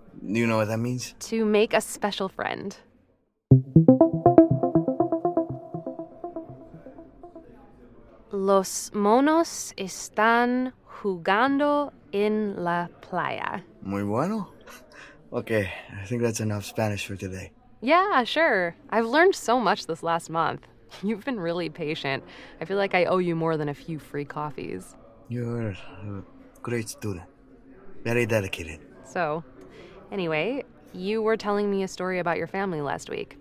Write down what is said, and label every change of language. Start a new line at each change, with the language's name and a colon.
English: Do you know what that means? To make a special friend.
Spanish: Los monos están jugando en la playa. Muy bueno.
English: Okay, I think that's enough Spanish for today. Yeah, sure. I've learned so much this last month. You've been really patient. I feel like I owe you more than a few free coffees. You're a great student. Very dedicated. So, anyway, you were telling me a story about your family last week.